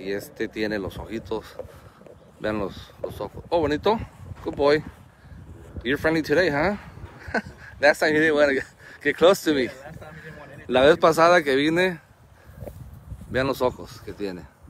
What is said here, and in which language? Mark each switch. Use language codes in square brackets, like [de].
[es] Y este tiene los ojitos, vean los ojos. [en] Oh, bonito, good boy. You're friendly today, huh? Last time you didn't want to get close to me. [es] La vez pasada que vine, vean los ojos que tiene.